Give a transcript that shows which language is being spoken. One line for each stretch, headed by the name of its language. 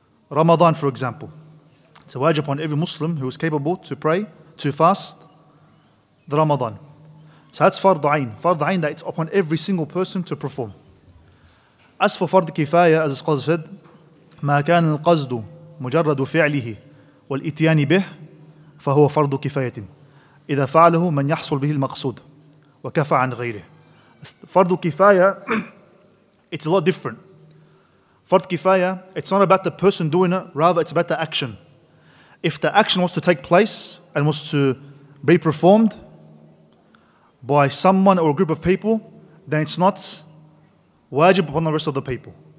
English: Ramadan, for example, it's a wajib on every Muslim who is capable to pray, to fast the Ramadan. So that's fard ayn. Fard ayn, that it's upon every single person to perform. As for fard kifaya, as the scholars said,
Arabic: مَا كَانَ الْقَزْدُ مُجَرَّدُ فِعْلِهِ وَالْإِتْيَانِ بِهِ فَهُوَ فَرْضُ كِفَايَةٍ إذا فعله من يحصل به المقصود وكفى عن غيره.
English: فرض كفاية, it's a lot different. فرض كفاية, it's not about the person doing it, rather it's about the action. If the action was to take place and was to be performed by someone or a group of people, then it's not wajib upon the rest of the people.